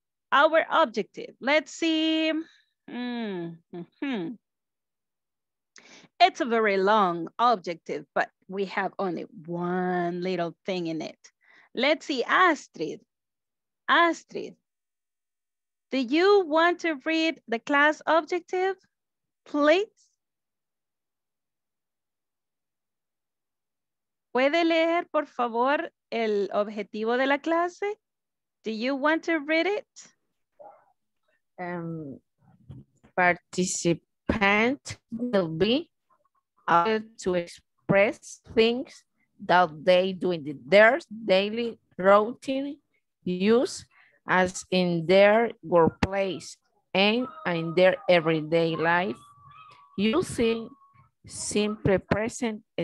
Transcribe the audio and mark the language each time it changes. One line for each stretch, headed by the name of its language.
English: Our objective, let's see, it's a very long objective, but we have only one little thing in it. Let's see, Astrid, do you want to read the class objective, please?
Spanish: ¿Puede leer, por favor, el objetivo de la clase?
English: Do you want to read it? Participant will be able to express things that they do in their daily routine use as in their workplace and in their everyday life using simple present